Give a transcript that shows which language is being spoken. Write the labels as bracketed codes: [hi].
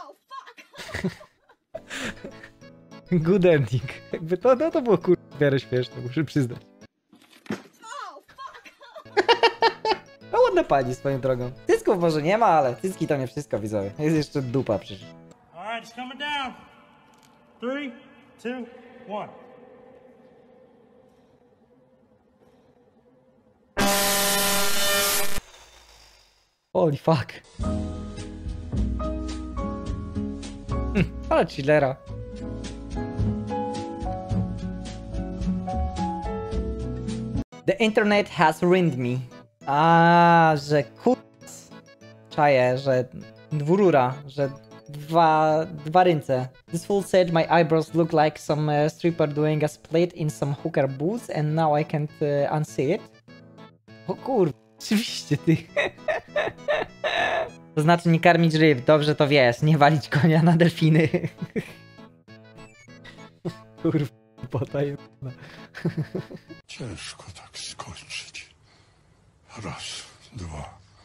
[en] Oh, fuck! Good ending. [pl] Jakby to, no to było kurwa w miarę śmieszne, muszę przyznać. [en] Oh, fuck! [pl] No ładna pani swoją drogą. Cysków może nie ma, ale cyski to nie wszystko, widzowie. Jest jeszcze dupa przecież. [en] Alright, it's coming down. 3, 2, 1. Holy fuck. [pl] Ale chillera. [en] The internet has ruined me. [pl] A, że kurwa. Czaję, że dwurura, że dwa ręce. [en] This fool said my eyebrows look like some stripper doing a split in some hooker booth and now I can't unsee it. [pl] O kurde, oczywiście ty. To znaczy nie karmić ryb, dobrze to wiesz, nie walić konia na delfiny. Kurwa, potajemna. Ciężko tak skończyć. Raz, dwa.